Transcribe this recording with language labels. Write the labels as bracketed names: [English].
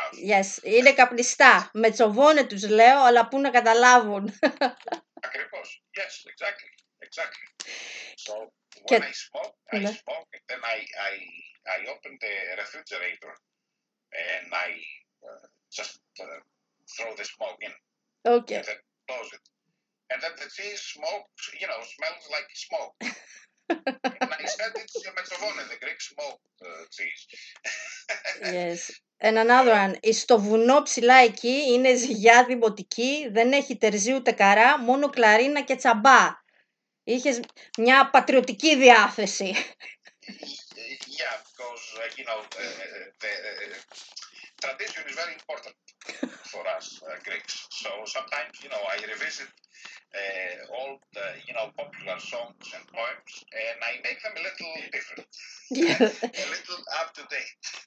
[English] Yes, [Greek] είναι καπνιστά. Με τσοβώνε τους λέω, αλλά πού να καταλάβουν. Ακριβώς. [English] Yes, exactly. So, when I smoke, and then I open the refrigerator and I just throw the smoke in. Okay. And then close it. And then the cheese smokes, smells like smoke. And I said it's a metrovone, the Greek smoke cheese. Yes. And another one. [Greek] Στο βουνό ψηλά εκεί είναι ζυγιά δημοτική, δεν έχει τερζί ούτε καρά, μόνο κλαρίνα και τσαμπά. Είχες μια πατριωτική διάθεση. [English] Yeah, because, tradition is very important for us Greeks. So sometimes, I revisit old, popular songs and poems, and I make them a little different, a little up to date.